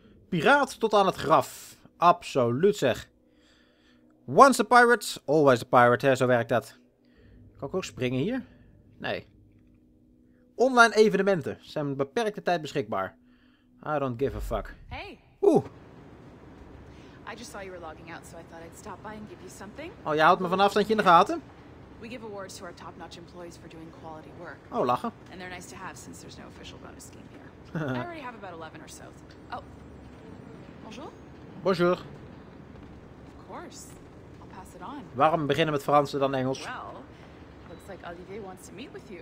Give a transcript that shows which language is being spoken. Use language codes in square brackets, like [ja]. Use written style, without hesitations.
[nl] Piraat tot aan het graf. Absoluut zeg. [en] Once a pirate, always a pirate. [nl] Hè? Zo werkt dat. Kan ik ook springen hier? Nee. Online evenementen zijn een beperkte tijd beschikbaar. [en] I don't give a fuck. Hey. Oeh. I just saw you were logging out, so I thought I'd stop by and give you something. [nl] Oh, jij houdt me vanaf dat je in de gaten. [en] We give awards to our top-notch employees for doing quality work. [nl] Oh, lachen. [en] And they're nice to have since there's no official bonus scheme here. I already have about 11 or so. Oh. Bonjour. [fr] Bonjour. [en] Of course. I'll pass it on. [nl] Waarom beginnen met Frans en dan Engels? [en] Well, looks like Olivier wants to meet with you.